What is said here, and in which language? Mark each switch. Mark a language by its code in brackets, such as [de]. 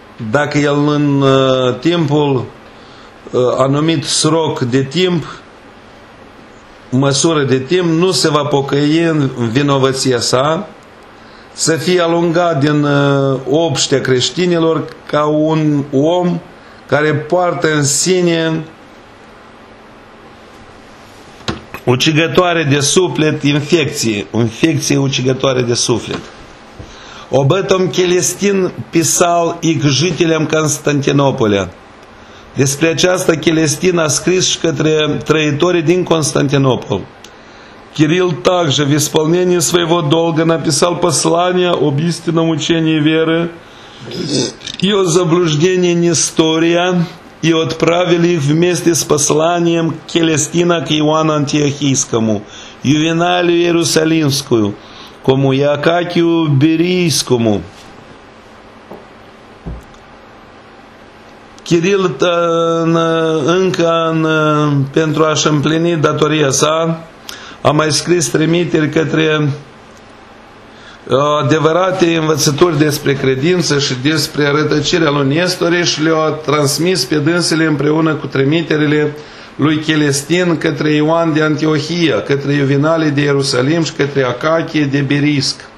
[ro] Dacă el în timpul anumit sroc de timp, măsură de timp, nu se va pocăi în vinovăția sa, să fie alungat din obștea creștinilor ca un om care poartă în sine ucigătoare de suflet infecție ucigătoare de suflet. [ru] Об этом Келестин писал и к жителям Константинополя. [ro] Despre aceasta Келестин a scris și către trăitorii din Константинопол. [ru] Кирилл также в исполнении своего долга написал послание об истинном учении веры и о заблуждении Нестория, и отправили их вместе с посланием Келестина к Иоанну Антиохийскому, Ювеналию Иерусалимскую, кому и Акакию Берийскому. [ro] Кирилл Инкан, pentru a-și împlini datoria sa, a mai scris trimiteri către adevărate învățături despre credință și despre rătăcirea lui Nestore și le-a transmis pe dânsele împreună cu trimiterile lui Chelestin către Ioan de Antiohia, către Iuvenale de Ierusalim și către Acachie de Birisc.